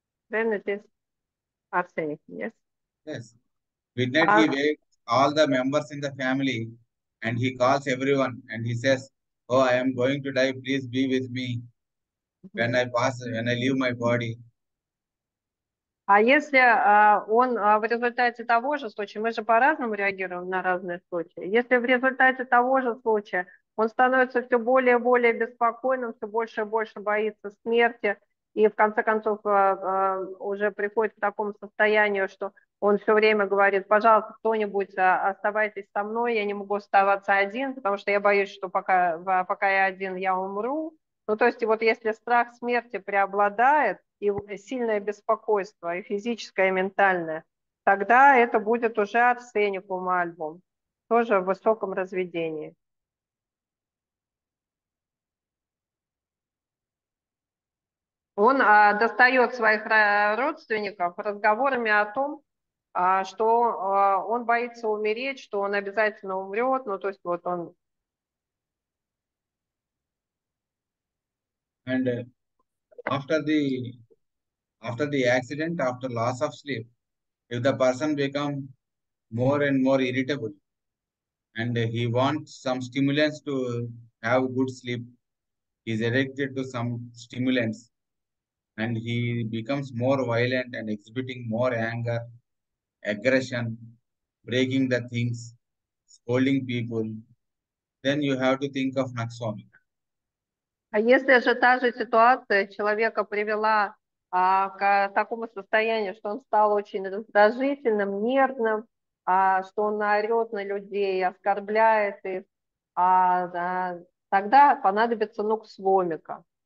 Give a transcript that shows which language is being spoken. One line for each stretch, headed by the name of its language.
English: Then it is arsenic, yes. Yes. Midnight he wakes all the members in the family and he calls everyone and he says, oh, I am going to die, please be with me when I leave my body.
Russian: А если он в результате того же случая, мы же по-разному реагируем на разные случаи, если в результате того же случая он становится все более и более беспокойным, все больше и больше боится смерти, и в конце концов уже приходит к такому состоянию, что он все время говорит, пожалуйста, кто-нибудь, оставайтесь со мной, я не могу оставаться один, потому что я боюсь, что пока я один, я умру. Ну, то есть вот если страх смерти преобладает, и сильное беспокойство, и физическое, и ментальное, тогда это будет уже арсеникум альбум, тоже в высоком разведении. Он достает своих родственников разговорами о том, что он боится умереть, что он обязательно умрет, ну, то есть вот он.
English: And after the accident, after loss of sleep, if the person become more and more irritable, and he wants some stimulants to have good sleep, he is addicted to some stimulants, and he becomes more violent and exhibiting more anger, aggression, breaking the things, scolding people, then you have to think of Naxomika.
Russian: А если же та же ситуация человека привела к такому состоянию, что он стал очень раздражительным, нервным, что он орет на людей, оскорбляет их, тогда понадобится нуксвомика.